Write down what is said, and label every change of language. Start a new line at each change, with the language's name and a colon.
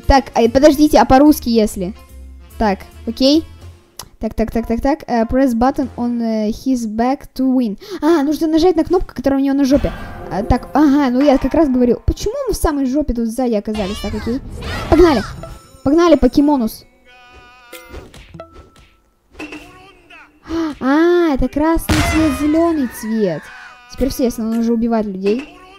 Russian: Так, подождите, а по-русски если? Так, окей. Так, так, так, так, так.
English: Press button on his back to win.
Russian: А, нужно нажать на кнопку, которая у него на жопе. Так, ага, ну я как раз говорю. Почему мы в самой жопе тут сзади оказались? Так, окей. Погнали! Погнали, покемонус! А, это красный цвет, зеленый цвет. Теперь все, если он уже убивает людей.